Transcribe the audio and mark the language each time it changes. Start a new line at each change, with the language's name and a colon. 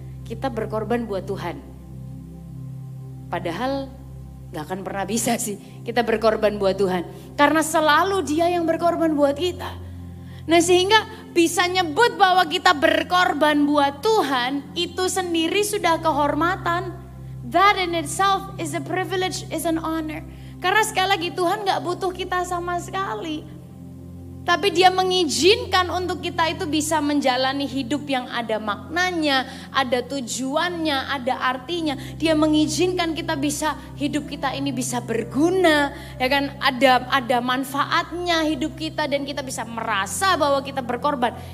Indonesian: Kita berkorban buat Tuhan. Padahal gak akan pernah bisa sih kita berkorban buat Tuhan. Karena selalu dia yang berkorban buat kita. Nah sehingga bisa nyebut bahwa kita berkorban buat Tuhan itu sendiri sudah kehormatan.
English: That in itself is a privilege, is an honor.
Indonesian: Karena sekali lagi Tuhan gak butuh kita sama sekali. Tapi dia mengizinkan untuk kita itu bisa menjalani hidup yang ada maknanya, ada tujuannya, ada artinya. Dia mengizinkan kita bisa hidup kita ini bisa berguna, ya kan? Ada manfaatnya hidup kita dan kita bisa merasa bahwa kita berkorban.